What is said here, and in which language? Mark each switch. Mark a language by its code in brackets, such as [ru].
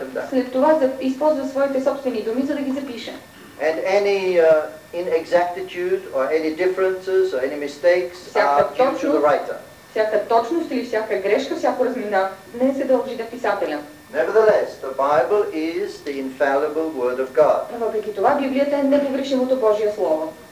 [bg] След това използва своите собствени думи, за да ги запише. [en] And any inexactitude or any differences or any mistakes are due to the writer. [bg] Всяка точност или всяка грешка, всяко разминаване не се дължи на писателя. [en] Nevertheless, the Bible is the infallible word of God. [bg] Въпреки това, Библията е непогрешимото Божие слово.